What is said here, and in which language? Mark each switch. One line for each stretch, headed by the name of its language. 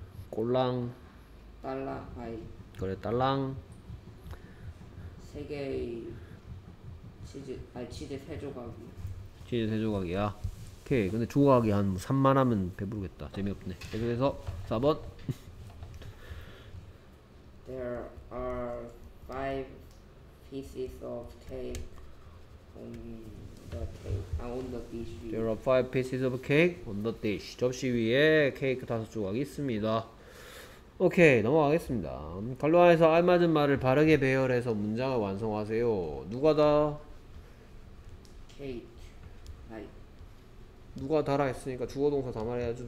Korean: 꼴랑 딸랑 아이 그래 딸랑 세 개의 치즈 아니 치즈 세 조각이 치즈 세 조각이야. 오케이. 근데 조각이 한 3만 하면 배부르겠다. 재미없네. 계속해서 4번
English: There are 5 pieces of cake on The cake. On the dish. There are 5 pieces of cake on the dish.
Korean: 접시 위에 케이크 다섯 조각이 있습니다. 오케이, 넘어가겠습니다. 칼로아에서 알맞은 말을 바르게 배열해서 문장을 완성하세요. 누가 다? 케이크. 누가 다라 했으니까 주어 동사 다 말해야죠.